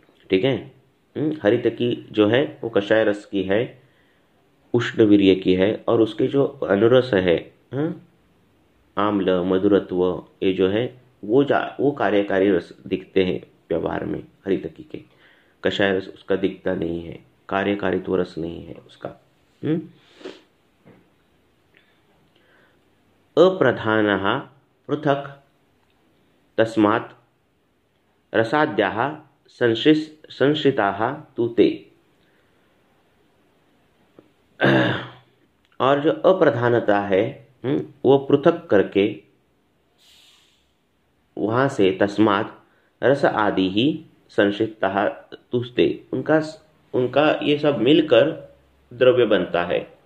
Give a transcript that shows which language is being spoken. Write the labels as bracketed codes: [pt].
[hi] ठीक है। हरित की जो है वो कषाय रस की है, उष्ण वीर्य की है, और उसके जो अनुरस है, आम्ल मधुरत्व ये जो है वो वो कार्यकारी रस दिखते हैं व्यवहार में, हरित की के कषाय रस उसका दिखता नहीं है, कार्यकारित्व रस नहीं है उसका। [sa] अप्रधानः पृथक् तस्मात् रसाद्याः संश्रिताः तूते। [hi] और जो अप्रधानता है वो पृथक करके वहां से तस्मात रस आदि ही [sa] संश्रिताः तूते, [hi] उनका उनका ये सब मिलकर द्रव्य बनता है।